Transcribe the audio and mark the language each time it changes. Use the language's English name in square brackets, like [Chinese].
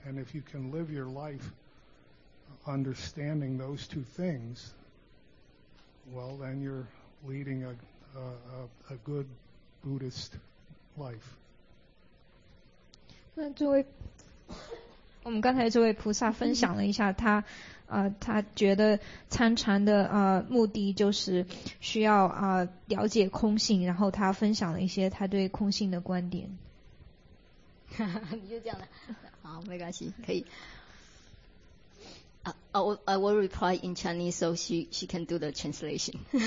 [English] And if you can live your life understanding those two things, well, then you're leading a good Buddhist life. [Chinese] 我们刚才这位菩萨分享了一下他觉得参禅的目的就是需要了解空性，然后他分享了一些他对空性的观点。你就这样了，好，没关系，可以。 [English] I will reply in Chinese so she can do the translation.